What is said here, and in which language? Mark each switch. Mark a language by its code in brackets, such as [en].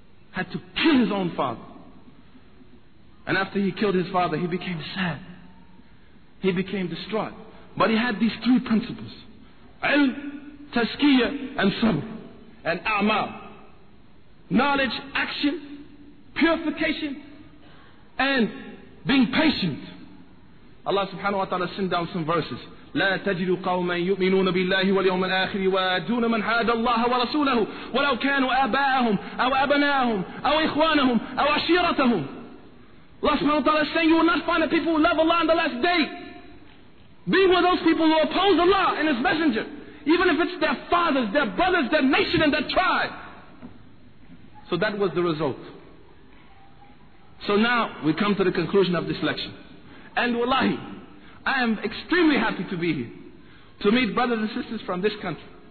[en] Had to kill his own father. And after he killed his father, he became sad. He became distraught. But he had these three principles. Ilm, tazkiyah, and sabr, and a'mal. Knowledge, action, purification, and being patient. Allah subhanahu wa ta'ala sent down some verses. [ar] لا تجد قوما يؤمنون بالله واليوم الآخر ويوادون من حاد الله ورسوله ولو كانوا آباءهم أو أبناءهم أو إخوانهم أو عشيرتهم. [en] Allah subhanahu wa ta'ala is saying, you will not find a people who love Allah on the last day. Be with those people who oppose Allah and His Messenger, even if it's their fathers, their brothers, their nation and their tribe. So that was the result. So now we come to the conclusion of this lecture. And wallahi, I am extremely happy to be here, to meet brothers and sisters from this country.